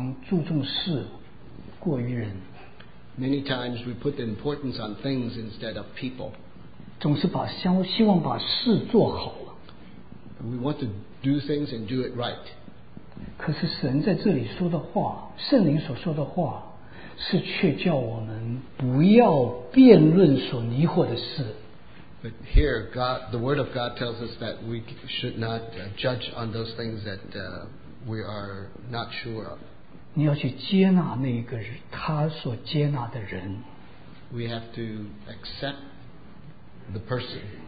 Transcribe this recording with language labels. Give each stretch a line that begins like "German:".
Chinese: 我们常常注重事过于人。
English: Many times we put the importance on things instead of people.
Chinese: 总是希望把事做好了。
English: We want to do things and do it right.
Chinese: 可是神在这里说的话，圣灵所说的话，是却叫我们不要辩论所迷惑的事。
English: But here, God, the word of God tells us that we should not judge on those things that we are not sure of.
Chinese: 你要去接纳那个他所接纳的人。
English: We have to accept the person.